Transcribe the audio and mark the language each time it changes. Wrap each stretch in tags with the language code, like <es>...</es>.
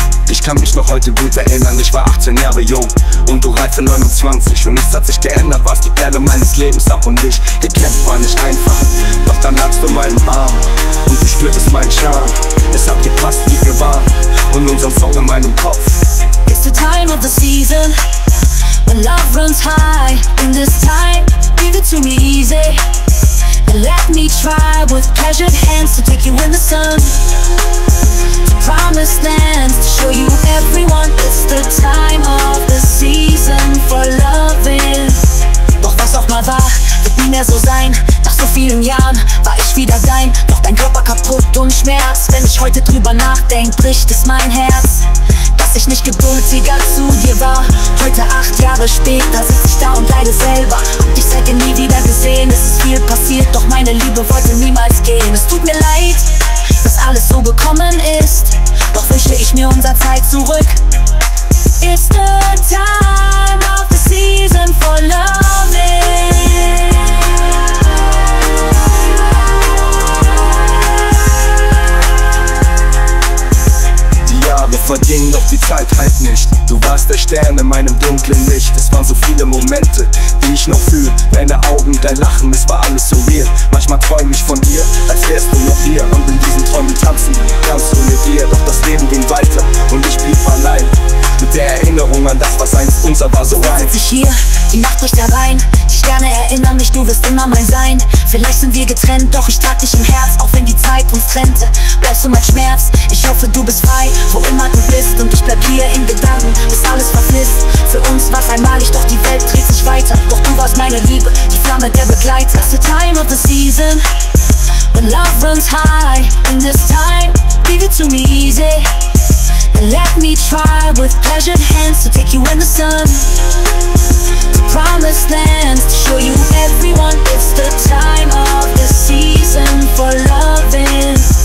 <de>Ich kann mich noch heute gut erinnern, ich war 18 Jahre jung und du reife 29. Und nichts hat sich geändert, warst die Perle meines Lebens, ab und ich gekämpft war nicht einfach. Doch dann lagst du in meinem Arm und du spürtest meinen Charme. Es hat gepasst, wie wir waren und unseren Song in meinem Kopf.</de> <en>It's the time of the season, when love runs high. In this time, give it to me easy and let me try with pleasured hands to take you in the sun. Promised lands to show you everyone. It's the time of the season for loving.</en> <de>Doch was auch mal war, wird nie mehr so sein. Nach so vielen Jahren war ich wieder dein. Doch dein Körper kaputt und Schmerz. Wenn ich heute drüber nachdenk, bricht es mein Herz, dass ich nicht geduldiger zu dir war. Heute 8 Jahre später sitz ich da und leide selber. Hab dich seitdem nie wieder gesehen. Es ist viel passiert, doch meine Liebe wollte niemals gehen. Es tut mir leid, dass alles so gekommen ist, doch wünsche ich mir unser Zeit zurück.</de> <en>It's the time of the season for loving.</en> <de>Die Jahre vergingen, doch die Zeit halt nicht. Du warst der Stern in meinem dunklen Licht. Es waren so viele Momente, die ich noch fühl. Deine Augen, dein Lachen, es war alles so real. Manchmal träum ich von dir, als wärst du noch hier. Und in diesen Träumen tanzen, kannst du mit dir. Doch das Leben ging weiter und ich blieb allein. Mit der Erinnerung an das, was einst unser war, so rein. Sitz ich hier, die Nacht bricht herein. Die Sterne erinnern mich, du wirst immer mein Sein. Vielleicht sind wir getrennt, doch ich trag dich im Herz. Auch wenn die Zeit uns trennte, bleibst du mein Schmerz. Ich hoffe, du bist frei, wo immer du bist. Und ich bleib hier in Gedanken, bis alles verflisst. Für uns war's einmalig, doch die Welt dreht sich weiter. Doch du warst meine Liebe, die Flamme, der Begleiter.</de> <en>It's the time of the season, when love runs high. In this time, give it to me easy. Let me try with pleasured hands to take you in the sun. To promised lands to show you everyone. It's the time of the season for loving.</en>